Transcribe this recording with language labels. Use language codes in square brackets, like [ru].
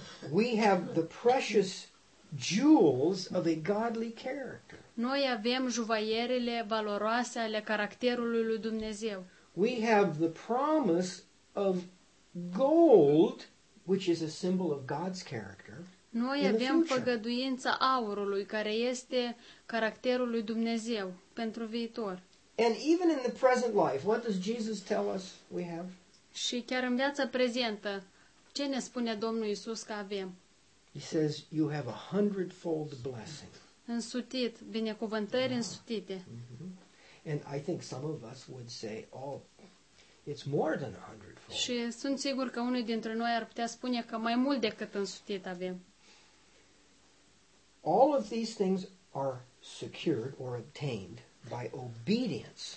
[en] We have the precious jewels of a godly character. [ro] Noi avem juvaierele valoroase ale caracterului lui Dumnezeu. [en] We have the promise of gold, which is a symbol of God's character. [ro] Noi avem făgăduința aurului, care este caracterul lui Dumnezeu pentru viitor. [en] And even in the present life, what does Jesus tell us we have? [ro] Și chiar în viața prezentă, ce ne spune Domnul Iisus că avem? [en] He says you have a hundredfold blessing. [ro] Însutit, binecuvântări însutite. [en] And I think some of us would say, oh, it's more than a hundredfold. [ro] Și sunt sigur că unul dintre noi ar putea spune că mai mult decât însutit avem. [en] All of these things are secured or obtained by obedience.